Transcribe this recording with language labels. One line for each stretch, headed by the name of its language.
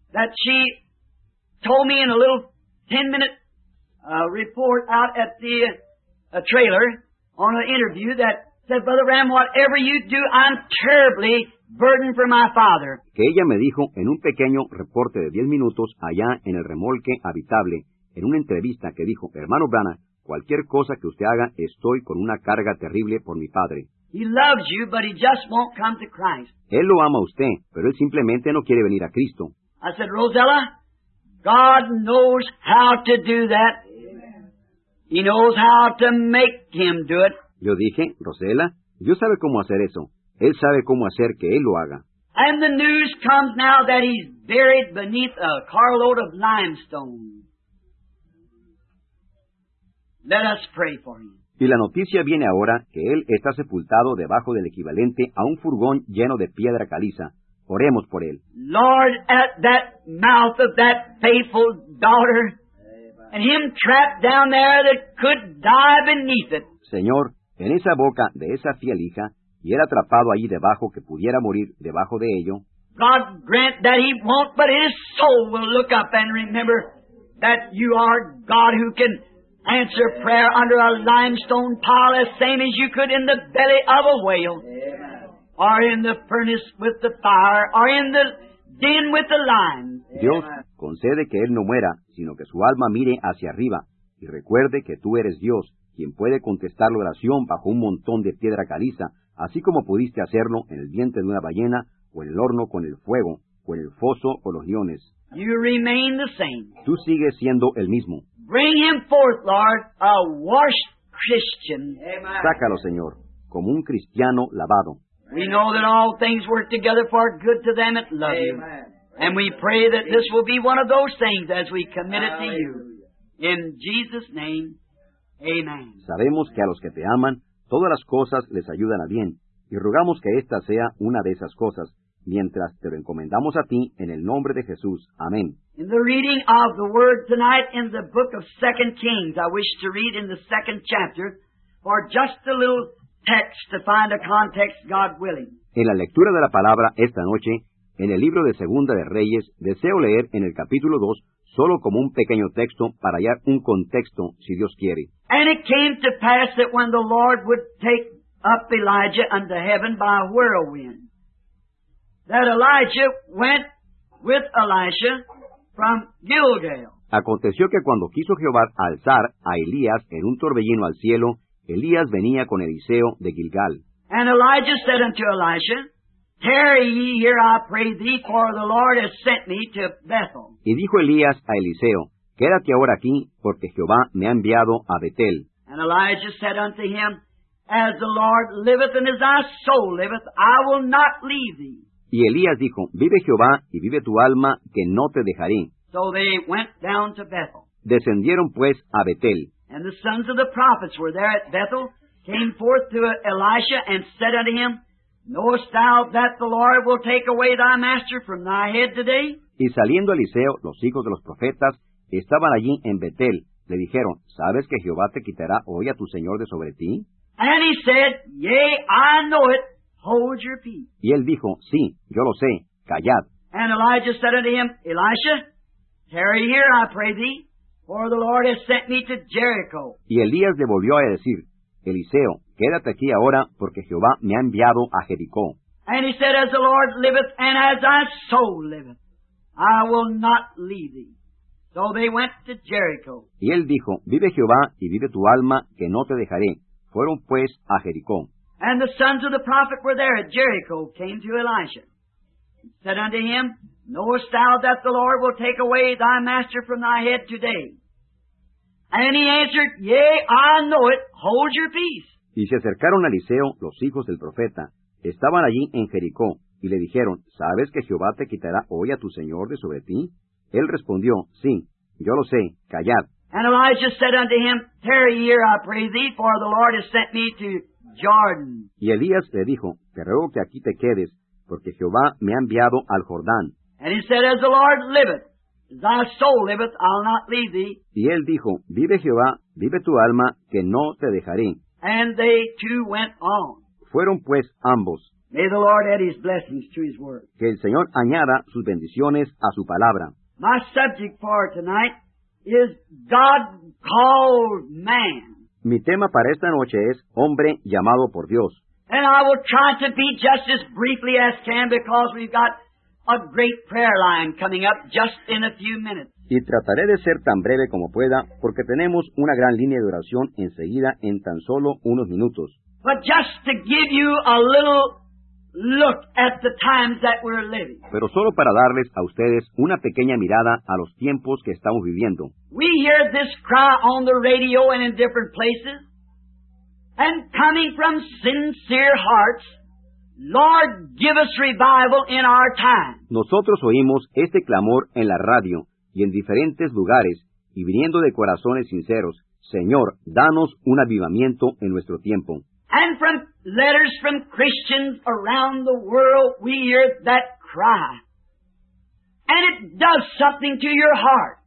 English: That she told me in a little 10-minute report out at the trailer on an interview that said, Brother Ram, whatever you do, I'm terribly burdened for my father.
Spanish: Que ella me dijo en un pequeño reporte de 10 minutos allá en el remolque habitable, en una entrevista que dijo, Hermano Branagh, cualquier cosa que usted haga, estoy con una carga terrible por mi padre.
English: He loves you, but he just won't come to Christ.
Spanish: Él lo ama a usted, pero él simplemente no quiere venir a Cristo.
English: I said, Rosella, God knows how to do that. Amen. He knows how to make him do it.
Spanish: Yo dije, Rosella, Dios sabe cómo hacer eso. Él sabe cómo hacer que Él lo haga.
English: And the news comes now that he's buried beneath a carload of limestone. Let us pray for him.
Spanish: Y la noticia viene ahora que él está sepultado debajo del equivalente a un furgón lleno de piedra caliza. Oremos por él.
English: Lord, at that mouth of that faithful daughter, and him trapped down there that could die beneath it.
Spanish: Señor, en esa boca de esa fiel hija, y él atrapado allí debajo, que pudiera morir debajo de ello.
English: God grant that he won't, but his soul will look up and remember that you are God who can answer prayer under a limestone pile as same as you could in the belly of a whale. Amen. Or in the furnace with the fire, or in the den with the lion.
Spanish: Dios, concede que él no muera, sino que su alma mire hacia arriba, y recuerde que tú eres Dios, quien puede contestar la oración bajo un montón de piedra caliza, así como pudiste hacerlo en el vientre de una ballena, o en el horno con el fuego, o en el foso o los leones.
English: You remain the same.
Spanish: Tú sigues siendo el mismo.
English: Bring him forth, Lord, a washed Christian.
Spanish: Sácalo, Señor, como un cristiano lavado.
English: We know that all things work together for good to them that love you. And we pray that this will be one of those things as we commit it to you. In Jesus' name, amen.
Spanish: Sabemos que a los que te aman, todas las cosas les ayudan a bien, y rogamos que esta sea una de esas cosas, mientras te lo encomendamos a ti en el nombre de Jesús. Amén.
English: In the reading of the Word tonight in the book of 2 Kings, I wish to read in the second chapter for just a little text to find a context, God willing.
Spanish: En la lectura de la palabra esta noche, en el libro de Segunda de Reyes, deseo leer en el capítulo 2 solo como un pequeño texto para hallar un contexto, si Dios quiere.
English: And it came to pass that when the Lord would take up Elijah unto heaven by a whirlwind, that Elijah went with Elisha from Gilgal.
Spanish: Aconteció que cuando quiso Jehová alzar a Elías en un torbellino al cielo, Elías venía con Eliseo de Gilgal.
English: And Elijah said unto Elisha, tarry ye here, I pray thee, for the Lord has sent me to Bethel.
Spanish: Y dijo Elías a Eliseo, quédate ahora aquí, porque Jehová me ha enviado a Betel.
English: And Elijah said unto him, as the Lord liveth and as thy soul liveth, I will not leave thee.
Spanish: Y Elías dijo, vive Jehová y vive tu alma, que no te dejaré.
English: So they went down to Bethel.
Spanish: Descendieron pues a Betel.
English: And the sons of the prophets were there at Bethel, came forth to Elisha and said unto him, knowest thou that the Lord will take away thy master from thy head today?
Spanish: Y saliendo Eliseo, los hijos de los profetas, estaban allí en Betel, le dijeron, ¿sabes que Jehová te quitará hoy a tu señor de sobre ti?
English: And he said, yea, I know it, hold your peace.
Spanish: Y él dijo, sí, yo lo sé, callad.
English: And Elijah said unto him, Elisha, tarry here, I pray thee, for the Lord has sent me to Jericho.
Spanish: Y Elías le volvió a decir, Eliseo, quédate aquí ahora, porque Jehová me ha enviado a Jericó.
English: And he said, as the Lord liveth, and as thy soul liveth, I will not leave thee. So they went to Jericho.
Spanish: Y él dijo, vive Jehová, y vive tu alma, que no te dejaré. Fueron pues a Jericó.
English: And the sons of the prophet were there at Jericho, came to Elisha, and said unto him, knowest thou that the Lord will take away thy master from thy head today? And he answered, yea, I know it, hold your peace.
Spanish: Y se acercaron a Eliseo, los hijos del profeta. Estaban allí en Jericó, y le dijeron, ¿sabes que Jehová te quitará hoy a tu señor de sobre ti? Él respondió, sí, yo lo sé, callad.
English: And Elijah said unto him, tarry here, I pray thee, for the Lord has sent me to Jordan.
Spanish: Y Elías le dijo, te ruego que aquí te quedes, porque Jehová me ha enviado al Jordán.
English: And he said, as the Lord liveth, as thy soul liveth, I'll not leave thee.
Spanish: Y él dijo, vive Jehová, vive tu alma, que no te dejaré.
English: And they too went on.
Spanish: Fueron pues ambos.
English: May the Lord add his blessings to his word.
Spanish: Que el Señor añada sus bendiciones a su palabra.
English: My subject for tonight is God called man.
Spanish: Mi tema para esta noche es hombre llamado por Dios.
English: And I will try to be just as briefly as can because we've got a great prayer line coming up just in a few minutes.
Spanish: Y trataré de ser tan breve como pueda porque tenemos una gran línea de oración enseguida en tan solo unos minutos.
English: But just to give you a little look at the times that we're living.
Spanish: Pero solo para darles a ustedes una pequeña mirada a los tiempos que estamos viviendo.
English: We hear this cry on the radio and in different places, and coming from sincere hearts. Lord, give us revival in our time.
Spanish: Nosotros oímos este clamor en la radio y en diferentes lugares, y viniendo de corazones sinceros, Señor, danos un avivamiento en nuestro tiempo.
English: And from letters from Christians around the world, we hear that cry. And it does something to your heart.